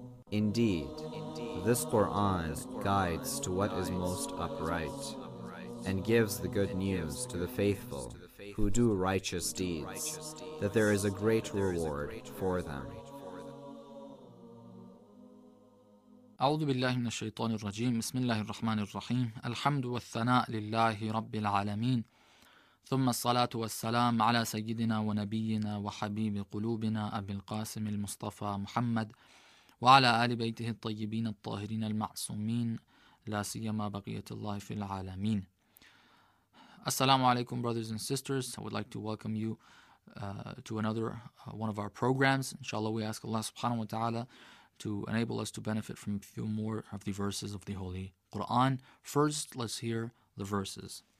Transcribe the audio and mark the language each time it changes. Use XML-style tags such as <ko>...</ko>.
<en>Indeed, this Quran guides to what is most upright and gives the good news to the faithful who do righteous deeds, that there is a great reward for them.</en> <ar>أعوذ بالله من الشيطان الرجيم بسم الله الرحمن الرحيم الحمد والثناء لله رب العالمين ثم الصلاة والسلام على سيدنا ونبينا وحبيب قلوبنا أبي القاسم المصطفى محمد وعلى آل بيته الطيبين الطاهرين المعصومين لا سيما بقية الله في العالمين السلام عليكم</ar> <en>brothers and sisters. I would like to welcome you to another one of our programs. Inshallah, we ask Allah subhanahu wa ta'ala to enable us to benefit from a few more of the verses of the Holy Quran. First, let's hear the verses.</en>